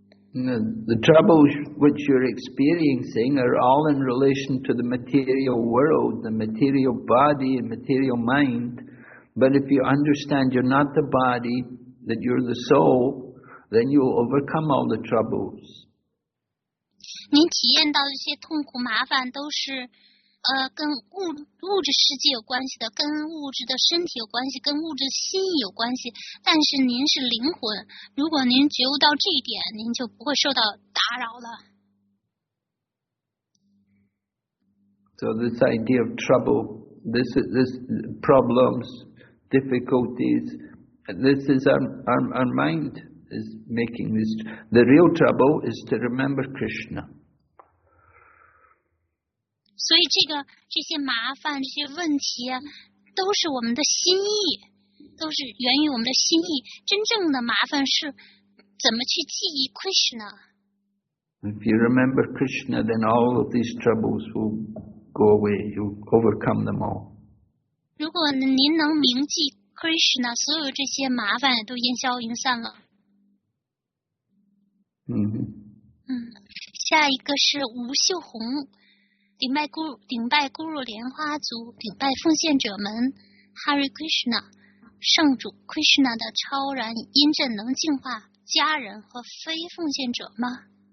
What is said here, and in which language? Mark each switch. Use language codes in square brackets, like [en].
[en] The troubles which you're experiencing are all in relation to the material world the material body and material mind but if you understand you're not the body that you're the soul then you'll overcome all the troubles [zh] 您体验到这些痛苦麻烦都是跟物质世界有关系的，跟物质的身体有关系，跟物质心有关系。但是您是灵魂，如果您觉悟到这一点，您就不会受到打扰了。 [en] So this idea of trouble, this problems, difficulties, this is our mind is making this. The real trouble is to remember Krishna. [zh] 所以这个这些麻烦这些问题都是我们的心意都是源于我们的心意真正的麻烦是怎么去记忆 Krishna [en] If you remember Krishna then all of these troubles will go away you overcome them all [zh] 如果您能铭记 Krishna 所有这些麻烦都烟消云散了、下一个是吴秀红顶拜咕噜莲花族顶拜奉献者们 Hare Krishna 圣主 Krishna 的超然音阵能净化家人和非奉献者吗